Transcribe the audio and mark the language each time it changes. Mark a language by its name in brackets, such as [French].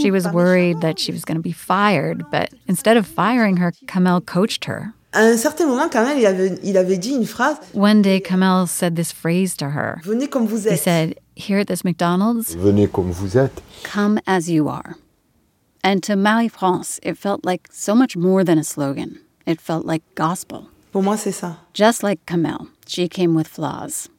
[English] She was worried that she was going to be fired, but instead of firing her, Kamel coached her. [French] À un certain moment, Kamel, il avait dit une phrase. [English] One day, Kamel said this phrase to her. [French] Venez comme vous êtes. [English] He said, here at this McDonald's, [French] venez comme vous êtes. [English] Come as you are. And to Marie-France, it felt like so much more than a slogan. It felt like gospel. [French] Pour moi, c'est ça. [English] Just like Kamel, she came with flaws.